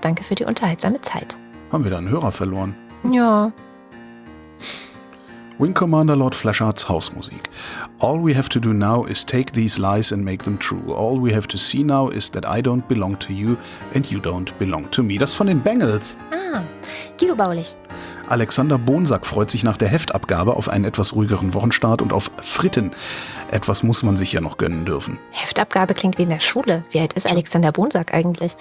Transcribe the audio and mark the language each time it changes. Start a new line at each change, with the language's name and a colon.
German: Danke für die unterhaltsame Zeit. Haben wir da einen Hörer verloren? Ja. Wing Commander Lord Fleshards Hausmusik.
English: All we have to do now is take these lies and make them true. All we have to see now is that I don't belong to you and you don't belong to me.
German: Das von den Bengals. Ah, Guido Baulich. Alexander Bonsack freut sich nach der Heftabgabe auf einen etwas ruhigeren Wochenstart und auf Fritten. Etwas muss man sich ja noch gönnen dürfen. Heftabgabe klingt wie in der Schule. Wie alt ist Alexander Bonsack eigentlich?